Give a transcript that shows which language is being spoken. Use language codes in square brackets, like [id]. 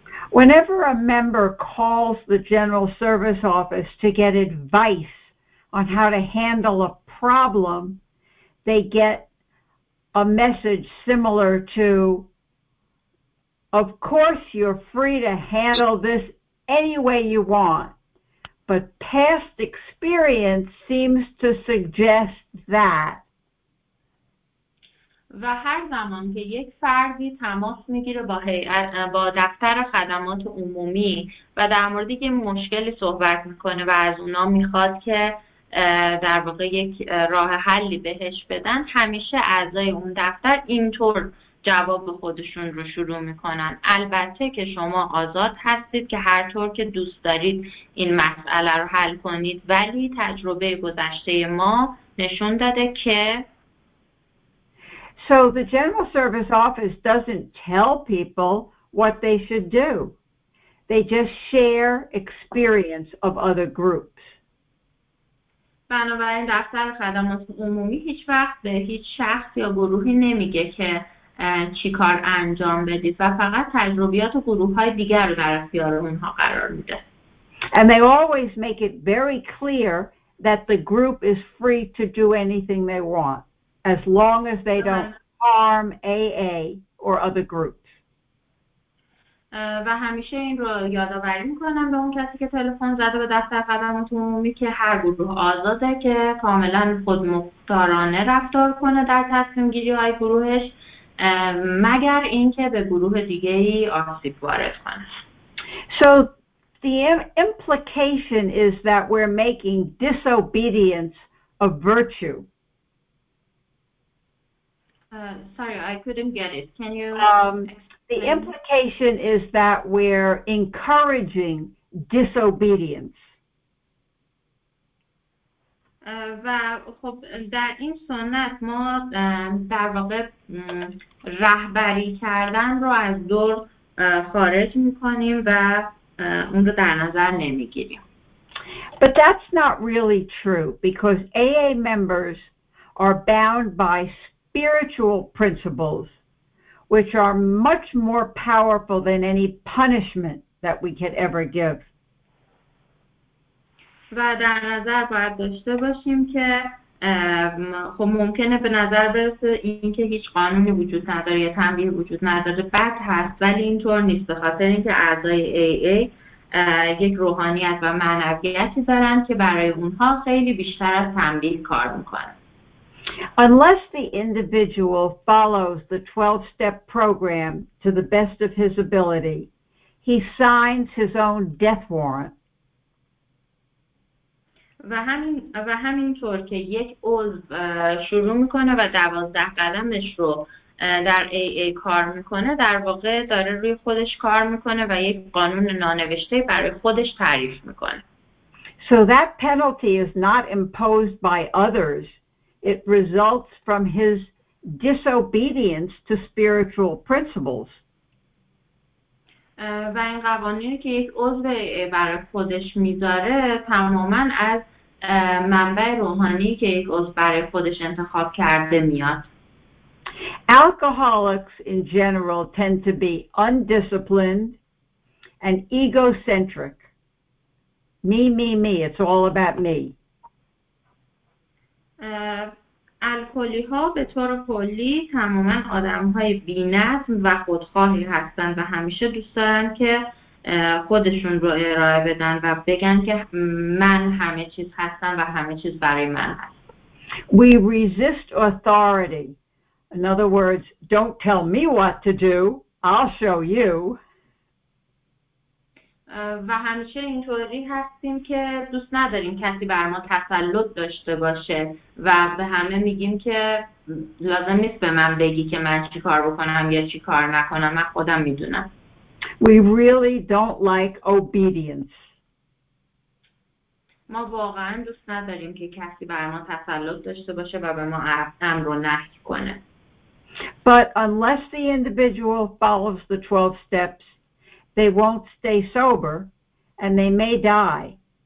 [en] Whenever a member calls the General Service Office to get advice on how to handle a problem, they get a message similar to, of course you're free to handle this any way you want, but past experience seems to suggest that. [fa] و هر زمان که یک فردی تماس میگیره با هیئت با دفتر خدمات عمومی و در مورد یک مشکلی صحبت میکنه و از اونا میخواد که در واقع یک راه حلی بهش بدن، همیشه اعضای اون دفتر اینطور جواب خودشون رو شروع میکنن: البته که شما آزاد هستید که هر طور که دوست دارید این مسئله رو حل کنید، ولی تجربه گذشته ما نشون داده که. [en] So the General Service Office doesn't tell people what they should do. They just share experience of other groups. [fa] بنابراین دفتر خدمات عمومی هیچ وقت به هیچ شخص یا گروهی نمیگه که چی کار انجام بدید و فقط تجربیات گروه های دیگر رو در اختیار اونها قرار میده. [en] And they always make it very clear that the group is free to do anything they want as long as they don't harm AA or other groups. [fa] و همیشه این رو یادآوری میکنم به اون کسی که تلفن زده به دفتر خدمات عمومی که هر گروه آزاده که کاملا خودمختارانه رفتار کنه در تصمیم گیری های گروهش، مگر اینکه به گروه دیگه ای آسیب وارد کنه. [en] So the implication is that we're making disobedience a virtue. Sorry, I couldn't get it. Can you The implication is that we're encouraging disobedience. [fa] و خب در این سنت ما در واقع رهبری کردن رو از دور خارج می‌کنیم و اون رو در نظر نمی‌گیریم. [en] But that's not really true because AA members are bound by spiritual principles which are much more powerful than any punishment that we could ever give. [fa] و در نظر باید داشته باشیم که خب ممکنه به نظر برسه اینکه هیچ قانونی وجود نداره یا تنبیهی وجود نداره بد هست، ولی اینطور نیست، به خاطر اینکه اعضای AA یک روحانیت و معنویتی دارن که برای اونها خیلی بیشتر از تنبیه کار میکنه. [en] Unless the individual follows the 12-step program to the best of his ability, he signs his own death warrant. [fa] و همینطور که یک عضو شروع میکنه و 12 قدمش رو در AA کار میکنه، در واقع داره روی خودش کار میکنه و یک قانون نانوشته برای خودش تعریف میکنه. [en] So that penalty is not imposed by others. It results from his disobedience to spiritual principles. [fa] و این قوانینی که یک عضو برای خودش میذاره تماماً از منبع روحانی که یک عضو برای خودش انتخاب کرده میاد. [en] Alcoholics in general tend to be undisciplined and egocentric. Me, me, me. It's all about me. [fa] الکلی‌ها به طور کلی تماماً آدم‌های بی‌نظم و خودخواهی هستند و همیشه دوست دارن که خودشون رو ارائه بدن و بگن که من همه چیز هستم و همه چیز برای من هست. [en] We resist authority. In other words, don't tell me what to do. I'll show you. [fa] و همیشه اینطوری هستیم که دوست نداریم کسی بر ما تسلط داشته باشه و به همه میگیم که لازم نیست به من بگی که من چی کار بکنم یا چی کار نکنم، من خودم میدونم. [en] We really don't like obedience. [fa] ما واقعا دوست نداریم که کسی بر ما تسلط داشته باشه و به ما امر و نهی کنه. [en] But unless the individual follows the 12 steps, they won't stay sober and they may die.